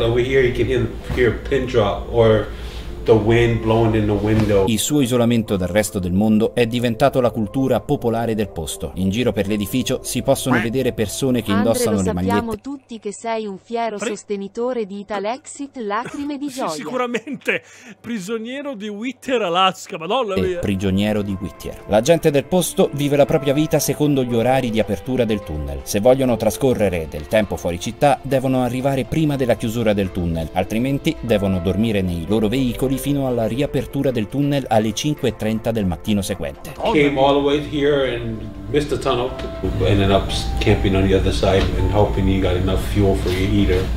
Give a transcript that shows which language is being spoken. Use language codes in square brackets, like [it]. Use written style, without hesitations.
[en] Over here you can hear a pin drop or the wind blowing in the window. [it] Il suo isolamento dal resto del mondo è diventato la cultura popolare del posto. In giro per l'edificio si possono vedere persone che indossano le magliette. Sappiamo tutti che sei un fiero sostenitore di Italexit, lacrime di gioia. Sì, sicuramente. Prigioniero di Whittier, Alaska, madonna mia. Prigioniero di Whittier. La gente del posto vive la propria vita secondo gli orari di apertura del tunnel. Se vogliono trascorrere del tempo fuori città, devono arrivare prima della chiusura del tunnel. Altrimenti devono dormire nei loro veicoli fino alla riapertura del tunnel alle 5:30 del mattino seguente. [en] Came all the way here and missed the tunnel. Ended up camping on the other side and hoping you got enough fuel for your heater.